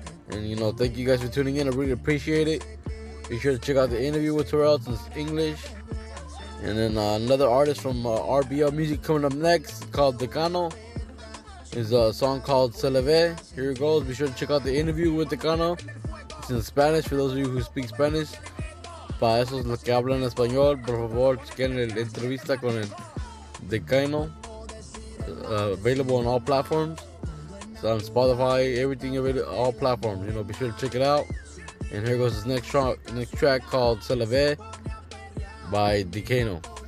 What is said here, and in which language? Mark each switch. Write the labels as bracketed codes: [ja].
[en] And, you know, thank you guys for tuning in. I really appreciate it. Be sure to check out the interview with Torrell. It's English. And then another artist from RBL Music coming up next called Decano. It's a song called Se Le Ve. Here it goes. Be sure to check out the interview with Decano. It's in Spanish for those of you who speak Spanish. [es] Para esos los que hablan español, por favor, chequen la entrevista con el Decano. [en] Available on all platforms. It's on Spotify, everything available, all platforms. You know, be sure to check it out. And here goes this next track called Se Le Ve by Decano.